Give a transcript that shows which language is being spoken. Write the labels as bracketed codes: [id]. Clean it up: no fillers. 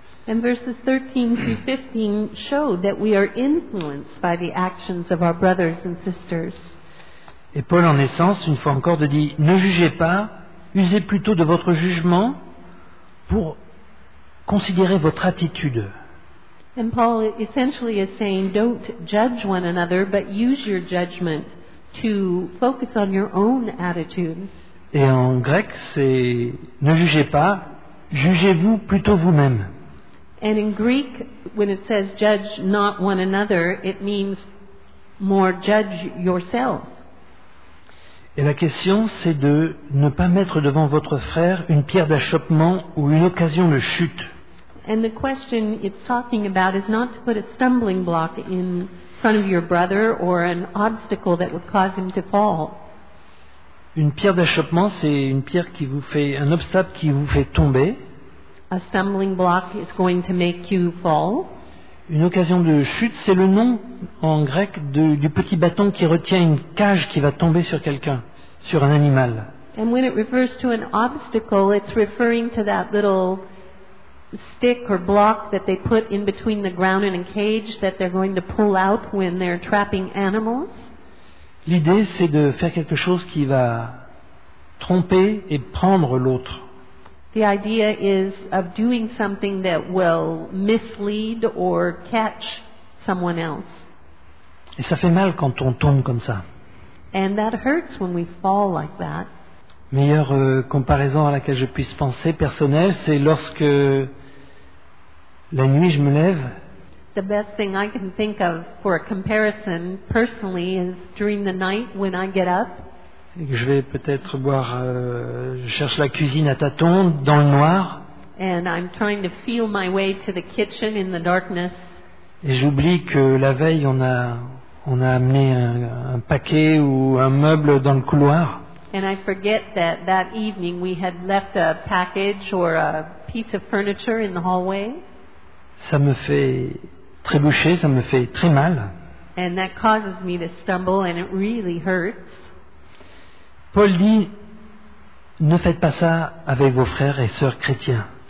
[en] And verses 13 through 15 show that we are influenced by the actions of our brothers and sisters. [fr] Et Paul, en essence, une fois encore, dit, ne jugez pas, usez plutôt de votre jugement pour considérer votre attitude. [en] And Paul essentially is saying, don't judge one another, but use your judgment to focus on your own attitude. [fr] Et en grec, c'est ne jugez pas, jugez-vous plutôt vous-même. [en] And in Greek, when it says judge not one another, it means more judge yourself. [fr] Et la question, c'est de ne pas mettre devant votre frère une pierre d'achoppement ou une occasion de chute. [en] And the question it's talking about is not to put a stumbling block in front of your brother or an obstacle that would cause him to fall. [fr] Une pierre d'achoppement, c'est une pierre qui vous fait un obstacle qui vous fait tomber. [en] A stumbling block is going to make you fall. [fr] Une occasion de chute, c'est le nom en grec du petit bâton qui retient une cage qui va tomber sur quelqu'un, sur un animal. [en] And when it refers to an obstacle, it's referring to that little stick or block that they put in between the ground and a cage that they're going to pull out when they're trapping animals. [fr] L'idée, c'est de faire quelque chose qui va tromper et prendre l'autre. [en] The idea is of doing something that will mislead or catch someone else. [fr] Et ça fait mal quand on tombe comme ça. [en] And that hurts when we fall like that. [fr] Meilleure comparaison à laquelle je puisse penser personnelle, c'est lorsque la nuit je me lève. [en] The best thing I can think of for a comparison personally is during the night when I get up. [fr] Je vais peut-être boire, je cherche la cuisine à tâtons dans le noir. [en] And I'm trying to feel my way to the kitchen in the darkness. [fr] Et j'oublie que la veille on a amené un paquet ou un meuble dans le couloir. [en] And I forget that evening we had left a package or a piece of furniture in the hallway. [fr] Ça me fait trébucher, ça me fait très mal. [en] And that causes me to stumble and it really hurts. [fr] Paul dit, Ne faites pas ça avec vos frères et sœurs chrétiens.